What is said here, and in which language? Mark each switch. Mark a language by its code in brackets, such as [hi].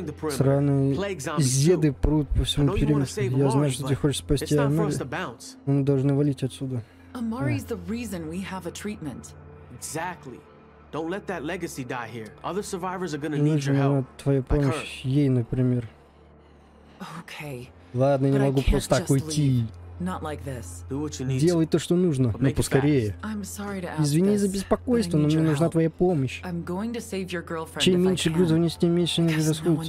[ru] Сраные зеды прут по всему периметру. Я знаю, что ты хочешь спасти Амари, но мы должны валить отсюда. Амари — это причина, что у нас есть лечение. [en] Exactly. Don't let that legacy die here. Other survivors are gonna need your help. [ru] Нужна твоя помощь, ей, например. [en] Okay. [ru] Ладно, не могу просто так уйти. [en] Not like this. Do what you need. [ru] Делай то, что нужно, но поскорее. Извини за беспокойство, но мне нужна твоя помощь. Чем меньше грузов нести, тем меньше не расходов.